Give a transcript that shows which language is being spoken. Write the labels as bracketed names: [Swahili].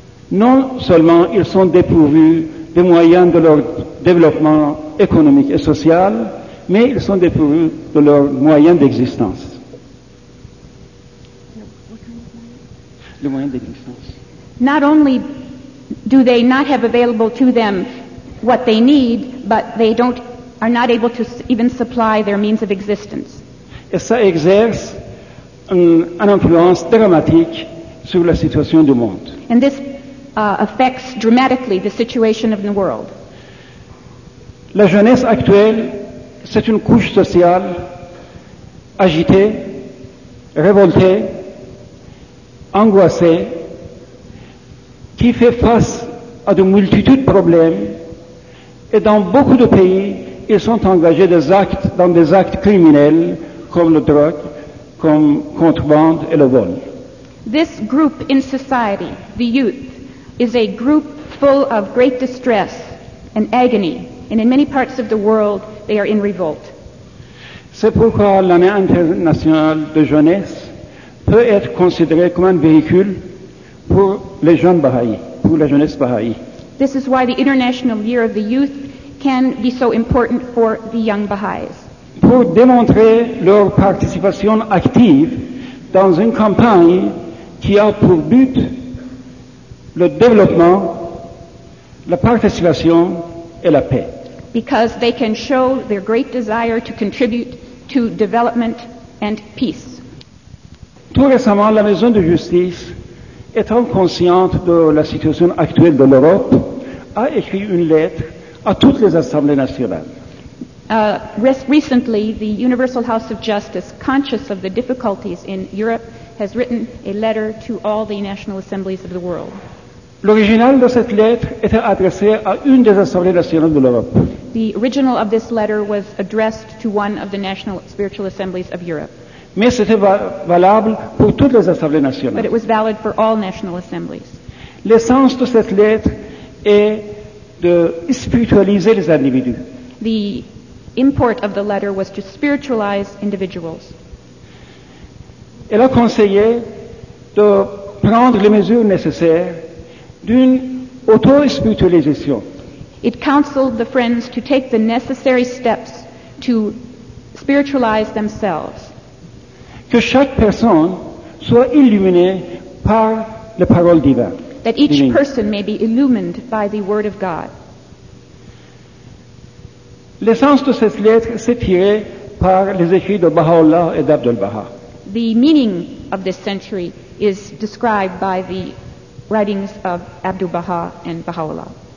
[French] Non seulement ils sont dépourvus des moyens de leur développement économique et social, mais ils sont dépourvus de leurs moyens d'existence. Les moyens d'existence. [English] Not only do they not have available to them what they need, but they don't are not able to even supply their means of existence. [French] Et ça exerce une influence dramatique sur la situation du monde. [English] And this affects dramatically the situation of the world. [French] La jeunesse actuelle, c'est une couche sociale agitée, révoltée, angoissée, qui fait face à de multitudes de problèmes. Et dans beaucoup de pays, ils sont engagés dans des actes criminels, comme le drogue, comme contrebande et le vol. [English] This group in society, the youth, is a group full of great distress and agony, and in many parts of the world, they are in revolt. [French] C'est pourquoi l'année internationale de jeunesse peut être considérée comme un véhicule pour les jeunes Bahaïs, pour la jeunesse Bahaï. [English] This is why the International Year of the Youth can be so important for the young Baha'is. [French] Pour démontrer leur participation active dans une campagne qui a pour but le développement, la participation et la paix. [English] Because they can show their great desire to contribute to development and peace. [French] Tout récemment, la Maison de Justice, étant consciente de la situation actuelle de l'Europe, a écrit une lettre à toutes les assemblées nationales. [English] Recently, the Universal House of Justice, conscious of the difficulties in Europe, has written a letter to all the national assemblies of the world. [French] L'original de cette lettre était adressé à une des assemblées nationales de l'Europe. [English] The original of this letter was addressed to one of the national spiritual assemblies of Europe. [French] Mais c'était valable pour toutes les assemblées nationales. [English] But it was valid for all national assemblies. [French] L'essence de cette lettre est de spiritualiser les individus. [English] The import of the letter was to spiritualize individuals. [French] Elle a conseillé de prendre les mesures nécessaires d'une auto-spiritualisation. [English] It counseled the friends to take the necessary steps to spiritualize themselves. [French] Que chaque personne soit illuminée par la parole divine. [English] That each person may be illumined by the word of God. [French] L'essence de cette lettre s'est tirée par les écrits de Baha'u'llah et d'Abdu'l-Baha. [English] The meaning of this century is described by the writings of Abdu'l-Baha and Baha'u'llah.